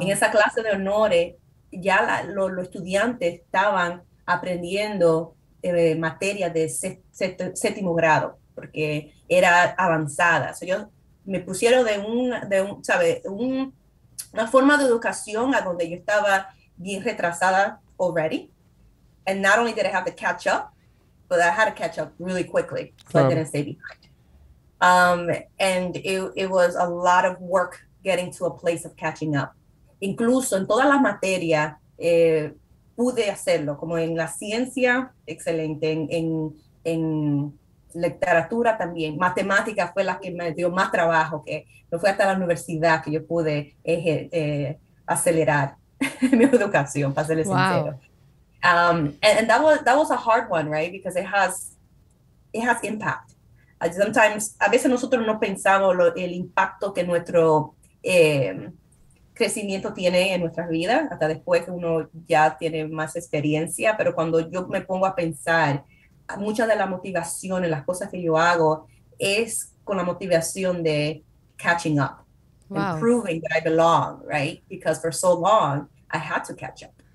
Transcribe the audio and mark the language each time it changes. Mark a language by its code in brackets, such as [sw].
[es] En esa clase de honores, ya los estudiantes estaban aprendiendo materia de séptimo grado, porque era avanzada. So, yo me pusieron una forma de educación a donde yo estaba bien retrasada already. [en] And not only did I have to catch up, but I had to catch up really quickly, so I didn't stay behind. And it was a lot of work getting to a place of catching up. [es] Incluso en todas las materias pude hacerlo, como en la ciencia, excelente, en literatura también. Matemática fue la que me dio más trabajo, que no fue hasta la universidad que yo pude acelerar mi educación, para serle sincero. [en] And that was a hard one, right? Because it has impact. Sometimes, [es] a veces nosotros no pensamos el impacto que nuestro... crecimiento tiene en nuestras vidas, hasta después que uno ya tiene más experiencia, pero cuando yo me pongo a pensar, muchas de las motivaciones, las cosas que yo hago, es con la motivación de catching up, wow, [en] and proving that I belong, right? Because for so long, I had to catch up.